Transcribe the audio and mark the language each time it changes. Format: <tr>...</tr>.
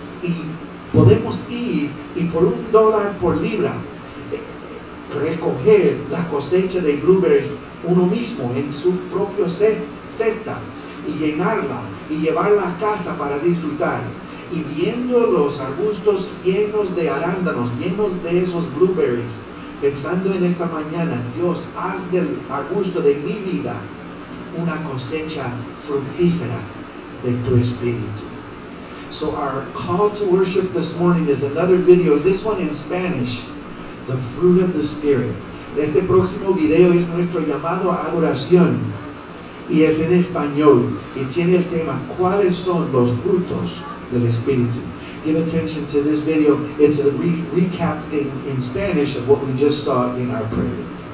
<es>Y podemos ir y por un dólar por libra recoger la cosecha de blueberries uno mismo en su propio cesta y llenarla y llevarla a casa para disfrutar. Y viendo los arbustos llenos de arándanos, llenos de esos blueberries, pensando en esta mañana, Dios, haz del arbusto de mi vida una cosecha fructífera de tu espíritu.</es> <en>So our call to worship this morning is another video, this one in Spanish, The Fruit of the Spirit.</en> <es>Este próximo video es nuestro llamado a adoración y es en español y tiene el tema ¿Cuáles son los frutos del Espíritu?</es> <en>Give attention to this video. It's a recapping in Spanish of what we just saw in our prayer.</en>